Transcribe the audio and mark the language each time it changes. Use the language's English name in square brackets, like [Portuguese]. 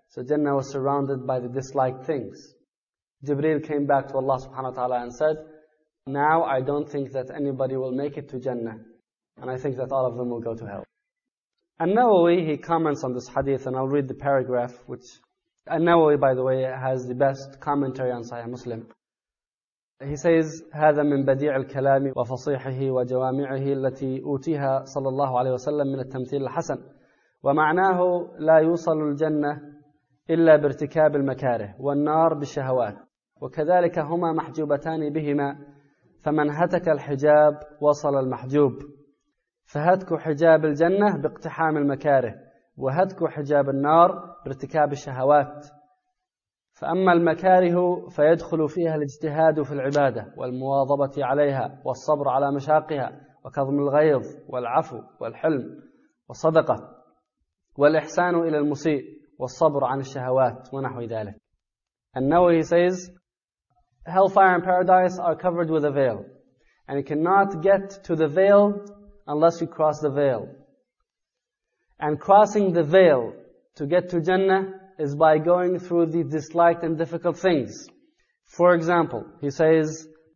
[English] So Jannah was surrounded by the disliked things. Jibreel came back to Allah subhanahu wa ta'ala and said, now I don't think that anybody will make it to Jannah. And I think that all of them will go to hell. An-Nawawi, he comments on this hadith, and I'll read the paragraph, which An-Nawawi, by the way, has the best commentary on Sahih Muslim. He says, [Arabic] هذا من بديع الكلام وفصيحه وجوامعه التي أوتيها صلى الله عليه وسلم من التمثيل الحسن ومعناه لا يوصل الجنة إلا بارتكاب المكاره والنار بالشهوات وكذلك هما محجوبتان بهما فمن هتك الحجاب وصل المحجوب فهتك حجاب الجنة باقتحام المكاره وهتك حجاب النار بارتكاب الشهوات فأما المكاره فيدخل فيها الاجتهاد في العبادة والمواظبة عليها والصبر على مشاقها وكظم الغيظ والعفو والحلم والصدقة والإحسان إلى المسيء والصبر عن الشهوات ونحو ذلك. [English] النووي, he says, hellfire and paradise are covered with a veil, and you cannot get to the veil unless you cross the veil. And crossing the veil to get to Jannah is by going through the disliked and difficult things. For example, he says,